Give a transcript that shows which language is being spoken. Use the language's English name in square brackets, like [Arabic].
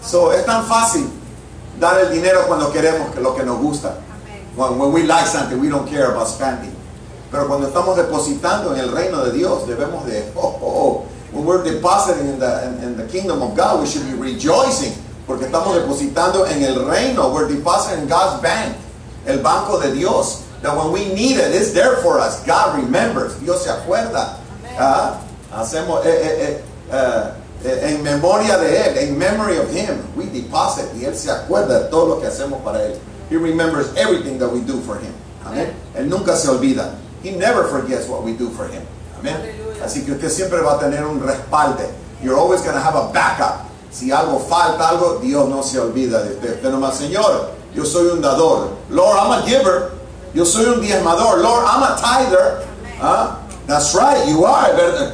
[Spanish] So, es tan fácil dar el dinero cuando queremos lo que nos gusta. [English] When we like something, we don't care about spending. [Spanish] Pero cuando estamos depositando en el reino de Dios, debemos de, [English] when we're depositing in the kingdom of God, we should be rejoicing. [Spanish] Porque estamos depositando en el reino. [English] We're depositing in God's bank, [Spanish] el banco de Dios. [English] That when we need it, it's there for us. God remembers. [Spanish] Dios se acuerda. Hacemos en memoria de Él, [English] in memory of Him. We deposit. [Spanish] Y Él se acuerda de todo lo que hacemos para Él. [English] He remembers everything that we do for Him. Amen. [Spanish] Él nunca se olvida. [English] He never forgets what we do for Him. [Spanish] Amen. Aleluya. Así que usted siempre va a tener un respaldo. [English] You're always going to have a backup. [Spanish] Si algo falta, algo, Dios no se olvida de usted. Usted nomás, Señor, yo soy un dador. [English] Lord, I'm a giver. [Spanish] Yo soy un diezmador. [English] Lord, I'm a tither. That's right, you are. ¿Verdad?